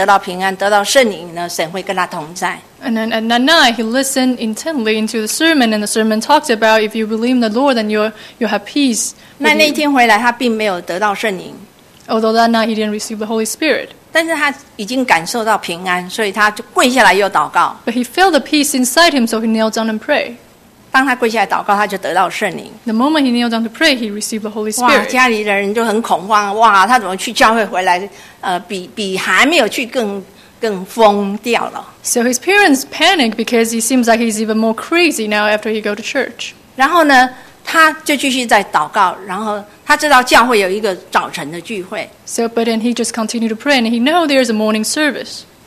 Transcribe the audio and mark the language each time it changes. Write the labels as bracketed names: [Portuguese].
[Chinese] 然后那一晚，他认真的听道理，听到说信耶稣可以得到平安，得到圣灵呢，神会跟他同在。 [English] And then at that night, he listened intently into the sermon, and the sermon talked about if you believe in the Lord, then you have peace. [Chinese] 那天回来，他并没有得到圣灵。 [English] Although that night, he didn't receive the Holy Spirit. [Chinese] 但是他已经感受到平安，所以他就跪下来又祷告。 [English] But he felt the peace inside him, so he knelt down and prayed. [Chinese] 当他跪下来祷告，他就得到圣灵。 [English] The moment he knelt down to pray, he received the Holy Spirit. [Chinese] 哇，家里的人就很恐慌，哇，他怎么去教会回来，比还没有去更疯掉了。 [English] So his parents panicked because he seems like he's even more crazy now after he go to church. [Chinese] 然后呢？他就继续在祷告，然后他知道教会有一个早晨的聚会。 [English] So, but then he just continued to pray, and he knows there's a morning service.